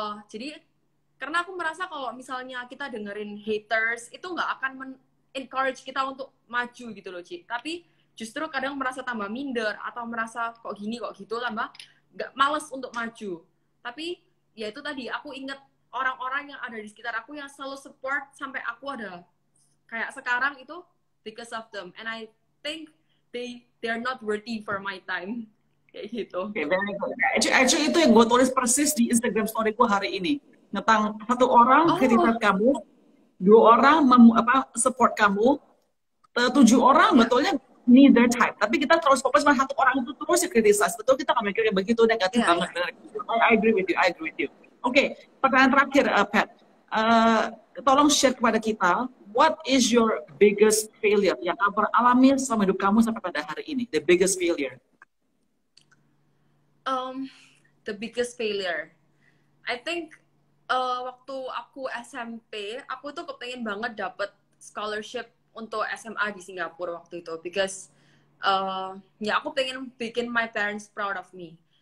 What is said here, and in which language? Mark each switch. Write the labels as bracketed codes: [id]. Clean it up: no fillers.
[id] Jadi, karena aku merasa kalau misalnya kita dengerin haters, itu nggak akan encourage kita untuk maju gitu loh, Ci. Tapi justru kadang merasa tambah minder, atau merasa kok gini, kok gitu, tambah nggak males untuk maju. Tapi, ya itu tadi, aku inget orang-orang yang ada di sekitar aku yang selalu support sampai aku ada kayak sekarang itu [en] because of them. And I think they are not worthy for my time. [id] Kayak gitu. [en] Okay, actually, [id] itu yang gue tulis persis di Instagram story gue hari ini. Tentang satu orang kritikat kamu, dua orang support kamu, tujuh orang betulnya [en] neither type. [id] Tapi kita terus fokus sama satu orang itu terus yang kritisasi. Betul, kita gak mikirnya begitu, negatif banget. [en] I agree with you. [id] Oke, pertanyaan terakhir, [en] Pat. [id] Tolong share kepada kita, [en] what is your biggest failure [id] yang kamu alami selama hidup kamu sampai pada hari ini? [en] The biggest failure. The biggest failure. [id] I think waktu aku SMP, aku tuh kepengen banget dapet scholarship untuk SMA di Singapura waktu itu. [en] Because [id] aku pengen bikin [en] my parents proud of me.